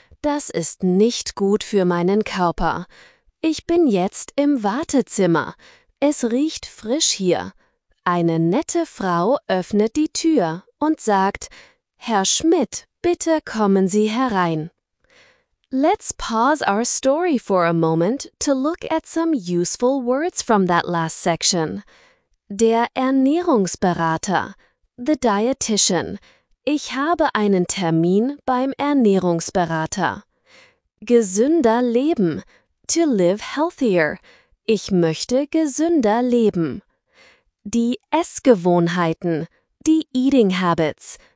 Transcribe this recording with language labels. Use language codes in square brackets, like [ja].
[de] Das ist nicht gut für meinen Körper. Ich bin jetzt im Wartezimmer. Es riecht frisch hier. Eine nette Frau öffnet die Tür und sagt: Herr Schmidt, bitte kommen Sie herein. [en] Let's pause our story for a moment to look at some useful words from that last section. [de] Der Ernährungsberater, the dietitian. Ich habe einen Termin beim Ernährungsberater. Gesünder leben, to live healthier. Ich möchte gesünder leben. Die Essgewohnheiten, die Eating Habits.